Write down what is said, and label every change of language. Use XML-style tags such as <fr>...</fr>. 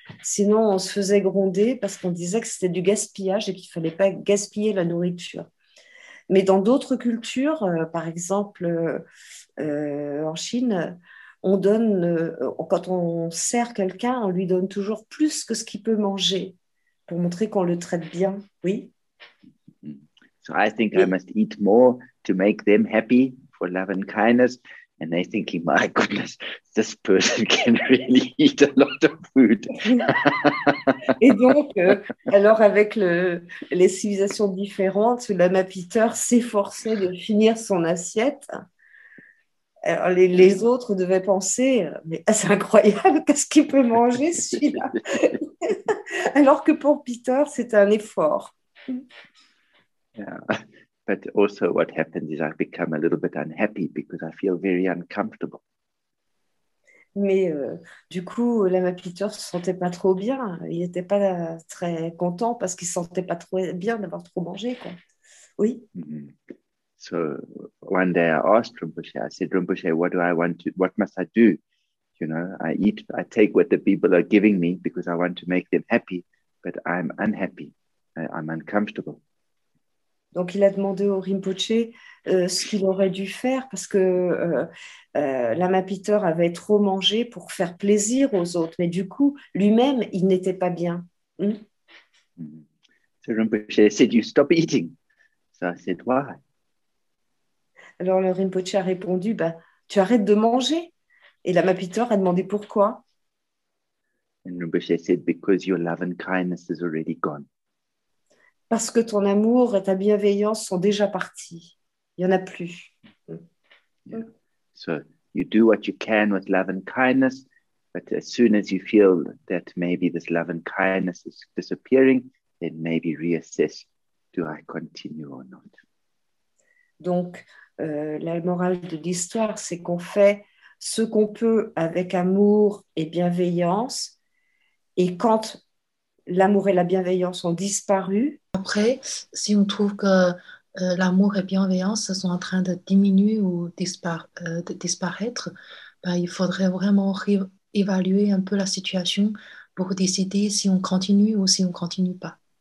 <fr>Sinon, on se faisait gronder parce qu'on disait que c'était du gaspillage et qu'il ne fallait pas gaspiller la nourriture. Mais dans d'autres cultures, par exemple, en Chine, on donne, quand on sert quelqu'un, on lui donne toujours plus que ce qu'il peut manger pour montrer qu'on le traite bien. Oui.</fr> <en>So I think I must eat more to make them happy for love and kindness. And they're thinking, my goodness, this person can really eat a lot of food.</en> <fr>Et donc, alors avec les civilisations différentes, Lama Peter s'efforçait de finir son assiette. Alors les autres devaient penser, mais c'est incroyable, qu'est-ce qu'il peut manger celui-là? Alors que pour Peter, c'est un effort.</fr> <en>But also what happens is I become a little bit unhappy because I feel very uncomfortable.</en> <fr>Mais du coup, l'ama Peter se sentait pas trop bien. Il n'était pas très content parce qu'il se sentait pas trop bien d'avoir trop mangé, quoi. Oui.</fr> <en>So one day I asked Rinpoche, I said, Rinpoche, what do I want to, what must I do? I eat, I take what the people are giving me because I want to make them happy, but I'm unhappy. I'm uncomfortable.</en> <fr>Donc, il a demandé au Rinpoché ce qu'il aurait dû faire parce que l'ama Peter avait trop mangé pour faire plaisir aux autres. Mais du coup, lui-même, il n'était pas bien.</fr> <en>Rinpoche said, you stop eating. So I said, why?</en> <fr>Alors, le Rinpoché a répondu, bah, tu arrêtes de manger. Et l'ama Peter a demandé pourquoi.</fr> <en>And Rinpoche said, because your love and kindness is already gone.</en> <fr>Parce que ton amour et ta bienveillance sont déjà partis. Il n'y en a plus.</fr> <en>So you do what you can with love and kindness, but as soon as you feel that maybe this love and kindness is disappearing, then maybe reassess, do I continue or not?</en> <fr>Donc, la morale de l'histoire, c'est qu'on fait ce qu'on peut avec amour et bienveillance, et quand l'amour et la bienveillance ont disparu, Après, si on trouve que l'amour et bienveillance sont en train de diminuer ou de disparaître, ben, il faudrait vraiment réévaluer un peu la situation pour décider si on continue ou si on ne continue pas.</fr>